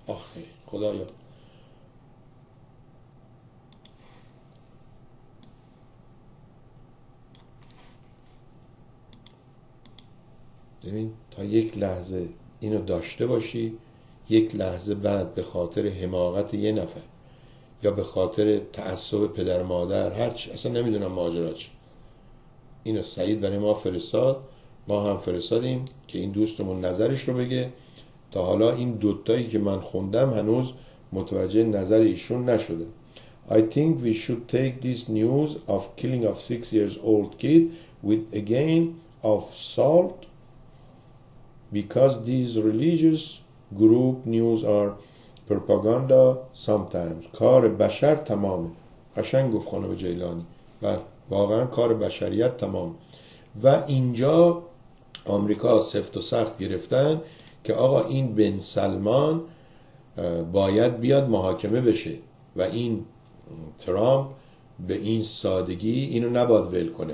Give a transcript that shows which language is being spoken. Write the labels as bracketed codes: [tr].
[fa] آخه خدایا، ببین تا یک لحظه اینو داشته باشی، یک لحظه بعد به خاطر حماقت یه نفر یا به خاطر تعصب پدر مادر هرچی اصلا نمیدونم ماجرا چی، اینو سعید برای ما فرستاد، ما هم فرستادیم که این دوستمون نظرش رو بگه. تا حالا این دوتایی که من خوندم هنوز متوجه نظر ایشون نشده. [en] I think we should take this news of killing of 6-year-old kid with a grain of salt because these religious group news are propaganda sometimes. [fa] کار بشر تمامه. قشنگ گفت خانم جیلانی. بله واقعا کار بشریت تمام. و اینجا آمریکا سفت و سخت گرفتن که آقا این بن سلمان باید بیاد محاکمه بشه و این ترامپ به این سادگی اینو نباید ول کنه.